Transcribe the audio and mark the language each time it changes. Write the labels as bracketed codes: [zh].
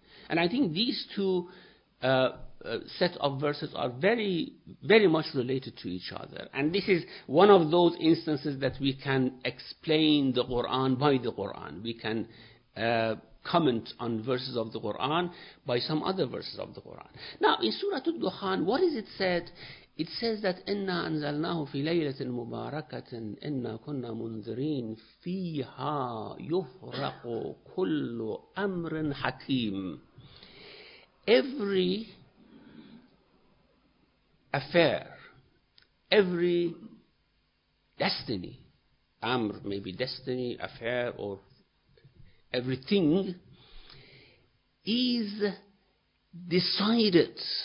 [en] And I think these two set of verses are very, very much related to each other. And this is one of those instances that we can explain the Qur'an by the Qur'an. We can comment on verses of the Qur'an by some other verses of the Qur'an. Now, in Surah Al-Dukhan, what is it said? It says that [ar] إِنَّا أَنزَلْنَاهُ فِي لَيْلَةٍ مُبَارَكَةٍ إِنَّا كُنَّا مُنذِرِينَ فِيهَا يُفْرَقُ كُلُّ أَمْرٍ حَكِيمٍ. [en] Every affair, every destiny, amr, maybe destiny, affair, or everything is decided.